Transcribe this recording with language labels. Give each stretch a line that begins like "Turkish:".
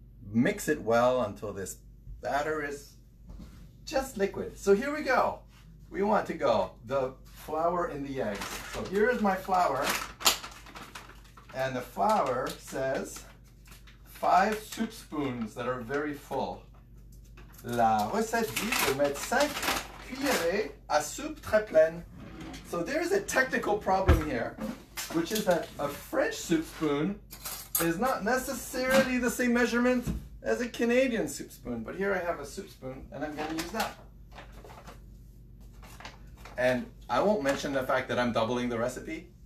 English: Mix it well until this batter is just liquid. So here we go. We want to go the flour and the eggs. So here is my flour. And the flour says 5 soup spoons that are very full.
French: La recette dit de mettre 5 cuillerées à soupe très pleine.
English: So there is a technical problem here, which is that a French soup spoon is not necessarily the same measurement as a Canadian soup spoon. But here I have a soup spoon and I'm going to use that. And I won't mention the fact that I'm doubling the recipe.